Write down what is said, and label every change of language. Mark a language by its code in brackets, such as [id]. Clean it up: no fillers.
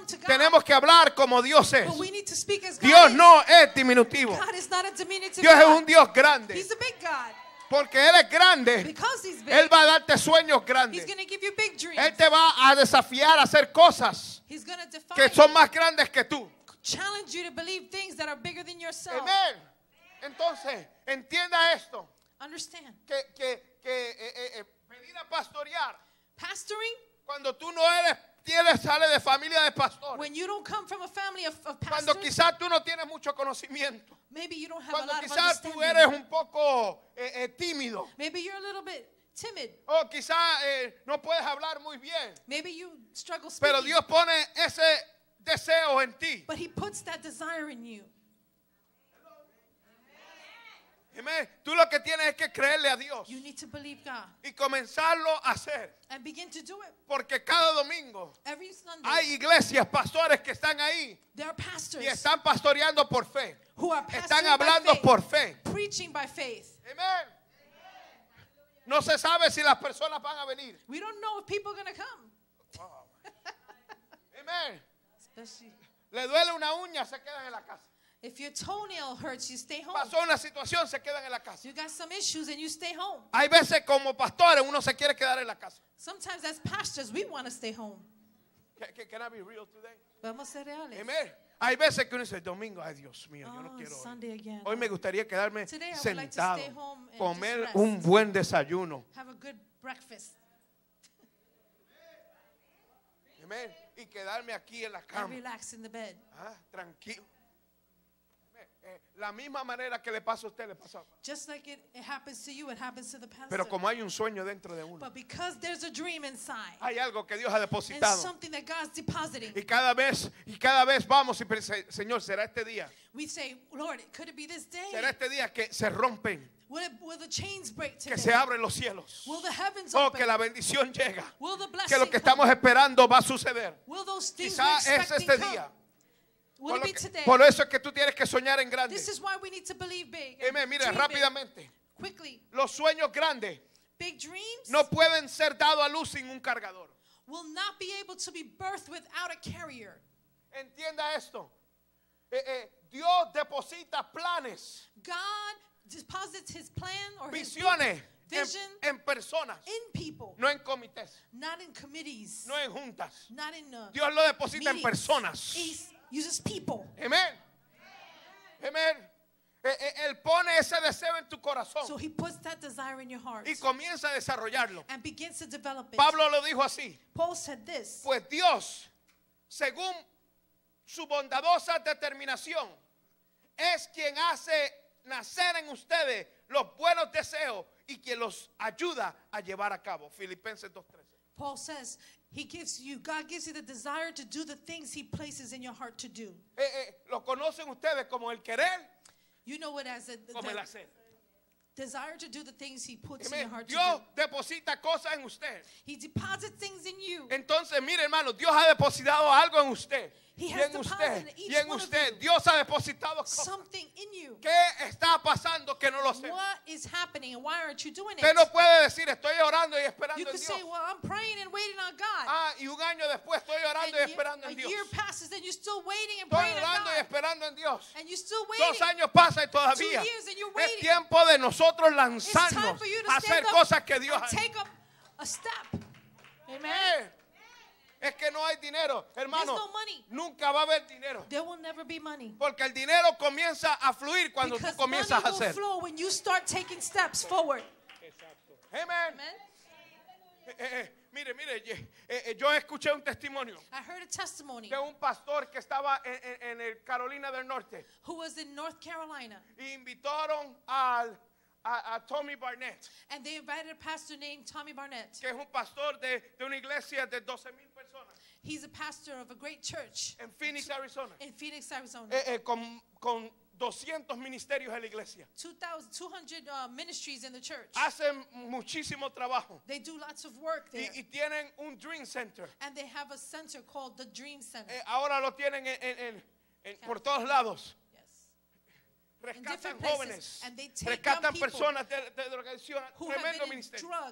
[es] tenemos que hablar como Dios es. [en] But we need to speak as God. [es] Dios [en] is [es] no es diminutivo. [en] God is not a diminutive [es] Dios [en] God [es] es un Dios grande. [en] He's a big God. [es] Porque Él es grande. [en] Because he's big. [es] Él va a darte sueños grandes. [en] He's gonna give you big dreams. [es] Él te va a desafiar a hacer cosas [en] he's gonna defy [es] que son más grandes que tú. [en] Challenge you to believe things that are bigger than yourself. [es] Amen. Entonces, entienda esto. [en] Understand. [es] Que venir a pastorear. [en] Pastoring. [es] Cuando tú no eres, tienes sale de familia de pastor. [en] When you don't come from a family of pastors. [es] Cuando quizás tú no tienes mucho conocimiento. [en] Maybe you don't have [es] cuando [en] a lot of understanding. [es] Cuando quizás tú eres un poco tímido. [en] Maybe you're a little bit timid. [es] O quizás no puedes hablar muy bien. [en] Maybe you struggle speaking. [es] Pero Dios pone ese deseo en ti. [en] But he puts that desire in you. Amen. [es] Tú lo que tienes es que creerle a Dios. [en] You need to believe God. [es] Y comenzarlo a hacer. [en] And begin to do it. [es] Porque cada domingo [en] every Sunday, [es] hay iglesias, pastores que están ahí. [en] There are pastors [es] y están pastoreando por fe. [en] Who are pastoring [es] están hablando [en] by faith, [es] por fe. [en] Preaching by faith. Amen. [es] No se sabe si las personas van a venir. [en] We don't know if people are going to come. Oh, amen. Especially. [es] Le duele una uña, se quedan en la casa. [en] If your toenail hurts, you stay home. [es] Pasó una situación, se quedan en la casa. [en] You got some issues and you stay home. [es] Hay veces como pastores, uno se quiere quedar en la casa. [en] Sometimes as pastors, we want to stay home. Can I be real today? [es] Vamos a ser reales. Amen. Hay veces que uno dice, domingo, ay Dios mío, oh, yo no quiero [en] Sunday [es] hoy. [en] Again. [es] Hoy me gustaría quedarme [en] today [es] sentado, [en] like to stay home and [es] comer [en] rest. [es] Un buen desayuno. [en] Have a good breakfast. [es] Amen. Y quedarme aquí en la cama. [en] And relax in the bed. [es] Tranquilo. La misma manera que le pasa a usted le pasa. [en] Just like it happens to you, it happens to the pastor. [es] Pero como hay un sueño dentro de uno. [en] But because there's a dream inside. [es] Hay algo que Dios ha depositado. [en] And something that God's depositing. [es] Y cada vez vamos y pensamos, Señor, será este día. [en] We say, Lord, could it be this day? [es] Será este día que se rompen. [en] Will the chains break today? [es] Que se abren los cielos. [en] Will the heavens oh, open? [es] Que la bendición llega. [en] Will the blessing [es] que lo que Estamos esperando va a suceder. [en] Will those things [es] quizá [en] we're expecting [es] es este día. [en] Come? Will it be today? [es] Por eso es que tú tienes que soñar en grande. [en] This is why we need to believe big. [es] Amen. Mira, rápidamente. [en] Big. Quickly. [es] Los sueños grandes. [en] Big dreams. [es] No pueden ser dado a luz sin un cargador. [en] Will not be able to be birthed without a carrier. [es] Entienda esto. Dios deposita planes. [en] God deposits his plan or [es] visiones. [en] His vision [es] en personas, [en] in people, [es] no en comités. [en] Not in committees. [es] No en juntas. [en] Not in [es] Dios lo deposita [en] meetings, [es] en personas. [en] Uses people. [es] Amen. Amen. Él pone ese deseo en tu corazón. [en] So he puts that desire in your heart. [es] Y comienza a desarrollarlo. [en] And begins to develop it. [es] Pablo lo dijo así. [en] Paul said this. [es] Pues Dios, según su bondadosa determinación, es quien hace nacer en ustedes los buenos deseos y quien los ayuda a llevar a cabo. Filipenses 2:13. [en] Paul says, he gives you, God gives you the desire to do the things he places in your heart to do. [es] Lo conocen ustedes como el querer. [en] You know it as [es] como el hacer. [en] Desire to do the things he puts Amen. In your heart [es] Dios [en] to do. [es] Deposita cosas en usted. [en] He deposits things in you. [es] Entonces, mire, hermano, Dios ha depositado algo en usted. [en] He has deposited [es] y en usted, Dios ha depositado [en] something in you. [es] ¿Qué está pasando que no lo sé? [en] What is happening and why aren't you doing it? [es] Usted no puede decir estoy orando y esperando [en] you [es] en Dios. [en] You could say, well, I'm praying and waiting on God. [es] Ah, y un año después estoy orando [en] and [es] y esperando en Dios. [en] A year passes and you're still waiting and praying. [es] Estoy orando [en] on God. [es] Y esperando en Dios. [en] And you're still waiting. [es] 2 años pasan y todavía. [en] 2 years and you're waiting. [es] Es tiempo de nosotros lanzarnos a hacer cosas que Dios hace. [en] Take a step. Amen. [es] Es que no hay dinero, hermano. [en] There's no money. [es] Nunca va a haber dinero. [en] There will never be money. [es] Porque el dinero comienza a fluir cuando [en] Because [es] tú comienzas [en] money [es] a hacer. [en] Will flow when you start taking steps forward. [es] Exacto. Amen. Amen. Mire, yo escuché un testimonio. [en] I heard a testimony. [es] De un pastor que estaba en el Carolina del Norte. [en] Who was in North Carolina. [es] Y invitaron al... A Tommy Barnett. [en] And they invited a pastor named Tommy Barnett. [es] Que es un pastor de una iglesia de 12,000 personas. [en] He's a pastor of a great church. [es] En Phoenix, Arizona. [en] In Phoenix, Arizona. [es] Con 200 ministerios en la iglesia. [en] 200 ministries in the church. [es] Hacen muchísimo trabajo. [en] They do lots of work there. [es] Y tienen un dream center. [en] And they have a center called the Dream Center. [es] Ahora lo tienen en por todos lados. Rescatan jóvenes, rescatan personas de drogadicción, tremendo ministerio.